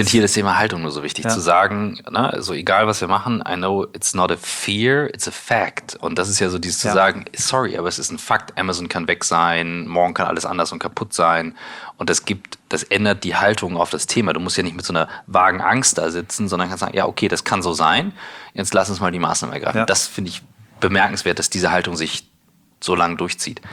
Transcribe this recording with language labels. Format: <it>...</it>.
<de>Ich finde hier das Thema Haltung nur so wichtig zu sagen, ne? Also egal was wir machen,</de> <en>I know it's not a fear, it's a fact.</en> <de>Und das ist ja so dieses zu sagen, sorry, aber es ist ein Fakt, Amazon kann weg sein, morgen kann alles anders und kaputt sein. Und das ändert die Haltung auf das Thema. Du musst ja nicht mit so einer vagen Angst da sitzen, sondern kannst sagen, ja, okay, das kann so sein. Jetzt lass uns mal die Maßnahmen ergreifen. Ja. Das finde ich bemerkenswert, dass diese Haltung sich so lange durchzieht.</de>